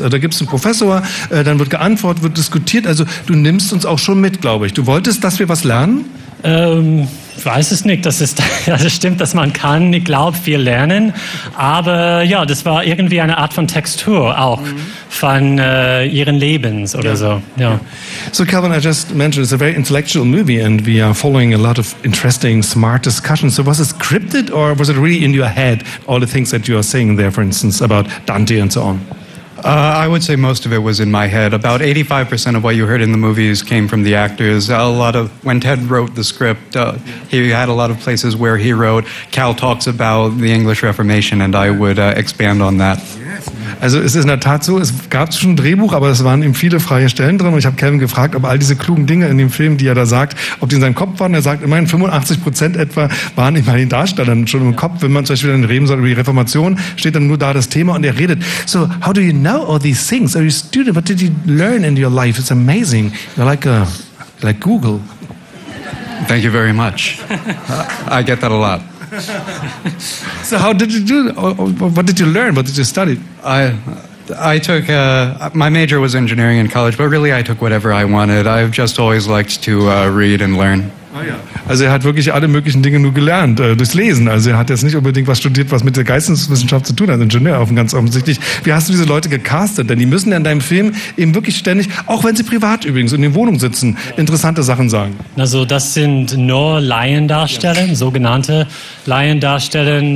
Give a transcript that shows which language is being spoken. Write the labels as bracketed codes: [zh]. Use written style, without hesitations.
[de] Also da gibt es einen Professor, dann wird geantwortet, wird diskutiert. Also du nimmst uns auch schon mit, glaube ich. Du wolltest, dass wir was lernen? Ich weiß es nicht, das stimmt, dass man kann, ich glaube, viel lernen, aber ja, das war irgendwie eine Art von Textur auch von ihren Lebens oder so. Ja. [en] So, Calvin, I just mentioned, it's a very intellectual movie and we are following a lot of interesting, smart discussions. So was it scripted or was it really in your head, all the things that you are saying there, for instance, about Dante and so on? I would say most of it was in my head. About 85% of what you heard in the movies came from the actors. A lot of when Ted wrote the script, he had a lot of places where he wrote. Cal talks about the English Reformation, and I would expand on that. [de] Also es ist in der Tat so, es gab schon ein Drehbuch, aber es waren eben viele freie Stellen drin. Und ich habe Calvin gefragt, ob all diese klugen Dinge in dem Film, die er da sagt, ob die in seinem Kopf waren. Er sagt, immerhin 85% etwa waren immer den Darstellern schon im Kopf. Wenn man zum Beispiel dann reden soll über die Reformation, steht dann nur da das Thema und er redet. [en] So, how do you know all these things? Are you a student? What did you learn in your life? It's amazing. You're like Google. Thank you very much. I get that a lot. So how did you do that? What did you learn? What did you study? I took, my major was engineering in college, but really I took whatever I wanted. I've just always liked to read and learn. [de] Also er hat wirklich alle möglichen Dinge nur gelernt, durchs Lesen. Also er hat jetzt nicht unbedingt was studiert, was mit der Geisteswissenschaft zu tun hat, Ingenieur auf dem ganz offensichtlich. Wie hast du diese Leute gecastet? Denn die müssen ja in deinem Film eben wirklich ständig, auch wenn sie privat übrigens in den Wohnungen sitzen, interessante Sachen sagen. Also das sind nur Laiendarsteller, sogenannte Laiendarsteller.